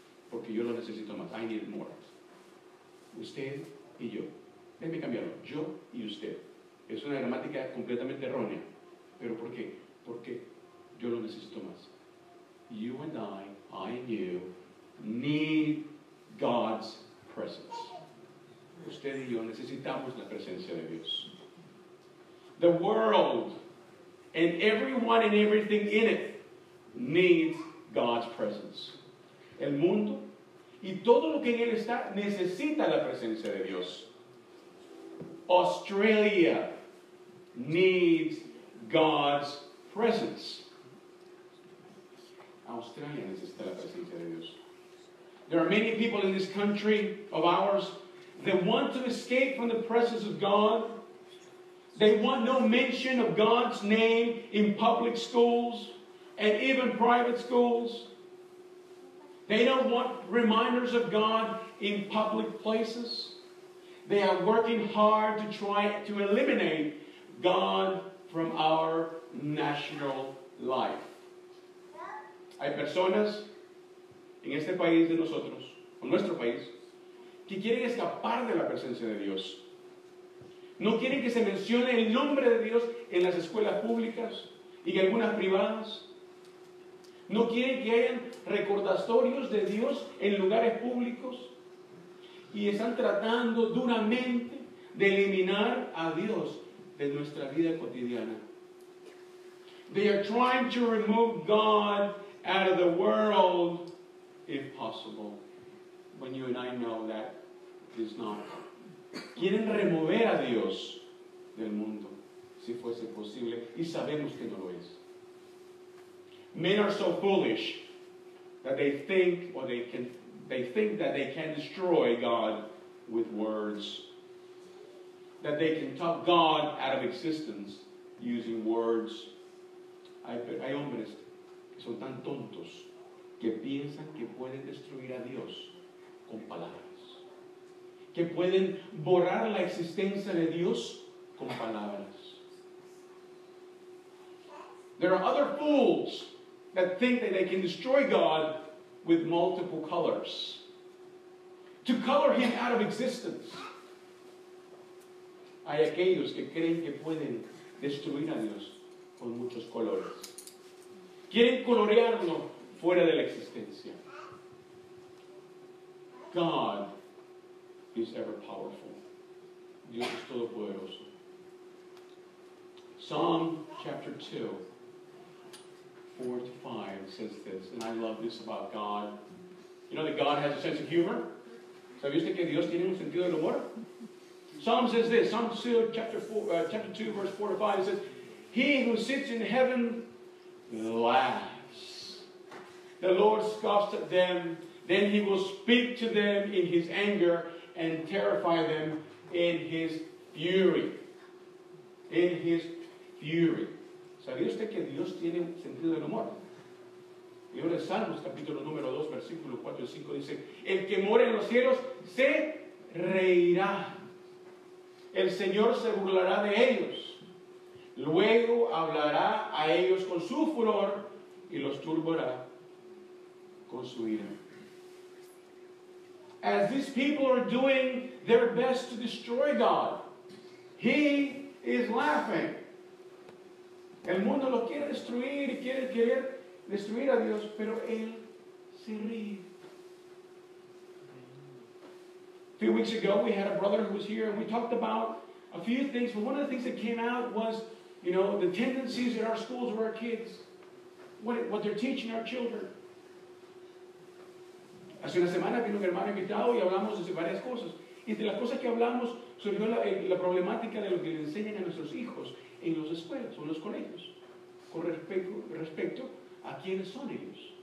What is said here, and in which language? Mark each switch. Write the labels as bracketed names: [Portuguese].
[Spanish] Porque yo lo necesito más. [English] I need it more. [Spanish] Usted y yo. Déjeme cambiarlo. Yo y usted. Es una gramática completamente errónea. ¿Pero por qué? Porque yo lo necesito más. [English] You and I and you, need God's presence. [Spanish] Usted y yo necesitamos la presencia de Dios. [English] The world and everyone and everything in it needs God's presence. [Spanish] El mundo y todo lo que en él está necesita la presencia de Dios. [English] Australia needs God's presence. [Spanish] Australia necesita la presencia de Dios. [English] There are many people in this country of ours that want to escape from the presence of God. They want no mention of God's name in public schools and even private schools. They don't want reminders of God in public places. They are working hard to try to eliminate God from our national life. [Spanish] Hay personas en este país de nosotros, o nuestro país, que quieren escapar de la presencia de Dios. No quieren que se mencione el nombre de Dios en las escuelas públicas y en algunas privadas. No quieren que hayan recordatorios de Dios en lugares públicos. Y están tratando duramente de eliminar a Dios de nuestra vida cotidiana. [English] They are trying to remove God out of the world, if possible. When you and I know that is not. [Spanish] Quieren remover a Dios del mundo, si fuese posible, y sabemos que no lo es. [English] Men are so foolish that they think that they can destroy God with words, that they can talk God out of existence using words. [Spanish] Hay hombres que son tan tontos que piensan que pueden destruir a Dios con palabras. Que pueden borrar la existencia de Dios con palabras. [English] There are other fools that think that they can destroy God with multiple colors. To color him out of existence. [Spanish] Hay aquellos que creen que pueden destruir a Dios con muchos colores. Quieren colorearlo fuera de la existencia. [English] God is ever powerful. [Spanish] Dios es todopoderoso. [English] Psalm chapter 2, 4 to 5 says this, and I love this about God. You know that God has a sense of humor? [Spanish] ¿Sabe usted que Dios tiene un sentido del humor? [English] Psalm says this, Psalm 2, chapter 2, verse 4 to 5, it says, He who sits in heaven laughs. The Lord scoffs at them, then he will speak to them in his anger, and terrify them in his fury. In his fury. [Spanish] ¿Sabía usted que Dios tiene sentido del humor? Libro de Salmos, capítulo número 2, versículo 4 y 5, dice, El que mora en los cielos se reirá. El Señor se burlará de ellos. Luego hablará a ellos con su furor y los turbará con su ira. [English] As these people are doing their best to destroy God, He is laughing. [Spanish] El mundo lo quiere destruir y quiere querer destruir a Dios, pero Él se ríe. [English] A few weeks ago, we had a brother who was here, and we talked about a few things, but one of the things that came out was, you know, the tendencies in our schools with our kids, what they're teaching our children. [Spanish] Hace una semana vino mi hermano invitado y hablamos de varias cosas. Entre las cosas que hablamos surgió la problemática de lo que le enseñan a nuestros hijos en las escuelas o en los colegios con respecto a quiénes son ellos.